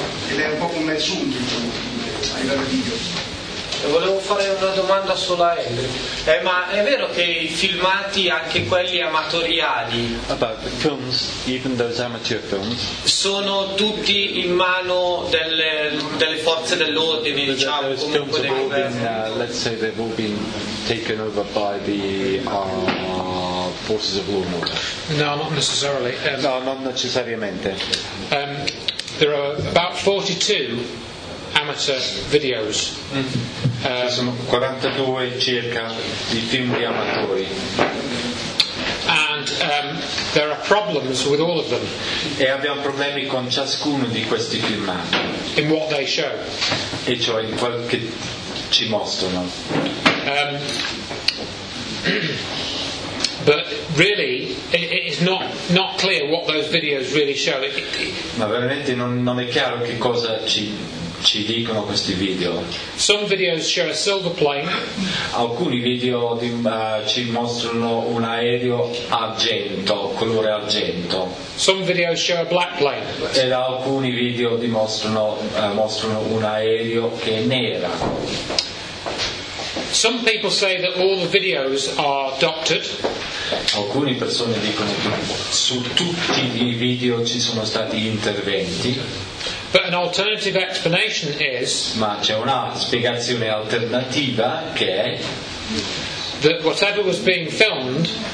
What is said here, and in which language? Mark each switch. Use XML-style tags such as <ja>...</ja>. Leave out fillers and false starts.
<it>Ed è un po' come il zoom, diciamo, a livello di video. Volevo fare una domanda sulla Henry. Ma è vero che i filmati, anche quelli amatoriali,</it> <en>about the films, even those amateur films,</en> <it>sono tutti in mano delle forze dell'ordine, diciamo,</it> <en>let's say they've all been taken over by the forces of law and order? No, not necessarily. There are about 42 amateur videos.</en> <it>Sono 42 circa di film di amatori.</it> <en>And there are problems with all of them.</en> <it>E abbiamo problemi con ciascuno di questi filmati.</it> <en>In what they show.</en> <it>E cioè in quel che ci mostrano.</it> <en>But really, it is not clear what those videos really show.</en> <it>Ma veramente non è chiaro che cosa ci dicono questi video.</it> <en>Some videos show a silver plane.</en> <it>Alcuni video ci mostrano un aereo argento, colore argento.</it> <en>Some videos show a black plane.</en> <it>Ed alcuni video mostrano un aereo che è nera.</it> <en>Some people say that all the videos are doctored.</en> <it>Alcune persone dicono che su tutti i video ci sono stati interventi.</it> <en>But an alternative explanation is,</en> <it>ma c'è una spiegazione alternativa che è,</it> <en>that whatever was being filmed,</en>